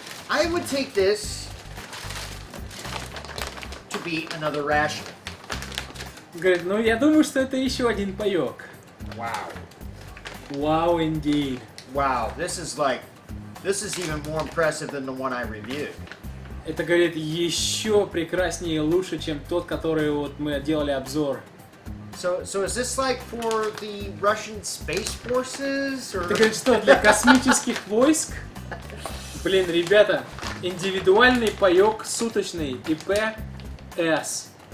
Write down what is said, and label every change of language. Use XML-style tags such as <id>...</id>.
<en>I would take this to be another ration.</en> <ru>Говорит, ну я думаю, что это еще один паёк.</ru> <en>Wow. Wow, indeed. Wow, this is even more impressive than the one I reviewed.</en> <ru>Это, говорит, еще прекраснее и лучше, чем тот, который вот мы делали обзор.</ru> <en>So is this like for the Russian Space Forces? Or...</en> <ru>Это, говорит, что, для космических войск? Блин, ребята, индивидуальный паёк суточный, ИПС.</ru>